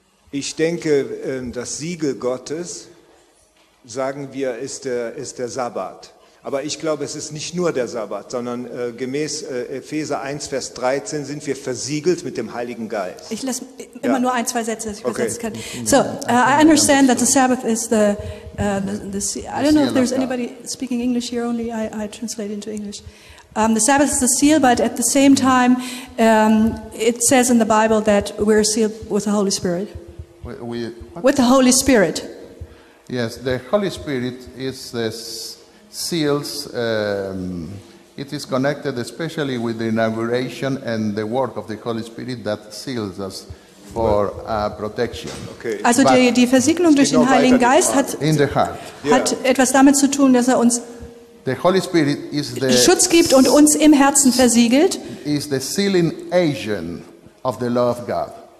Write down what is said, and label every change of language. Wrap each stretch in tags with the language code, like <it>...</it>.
<de>Ich denke, das Siegel Gottes, sagen wir, ist der Sabbat. Aber ich glaube, es ist nicht nur der Sabbat, sondern gemäß Epheser 1, Vers 13 sind wir versiegelt mit dem Heiligen Geist. Ich lasse immer nur ein, zwei Sätze, dass ich übersetzen kann.</de> <en>So, I understand that the Sabbath is the I don't know if there's anybody speaking English here, only I translate into English. The Sabbath is the seal, but at the same time, it says in the Bible that we're sealed with the Holy Spirit. With the Holy Spirit. Yes, the Holy Spirit is the seals. It is connected especially with the inauguration and the work of the Holy Spirit that seals us for protection. Okay.</en> <de>Also die Versiegelung durch den Heiligen Geist hat etwas damit zu tun, dass er uns</de> <en>the Holy Spirit is the</en> <de>Schutz gibt und uns im Herzen versiegelt.</de> <en>Is the sealing agent of the love of God.</en>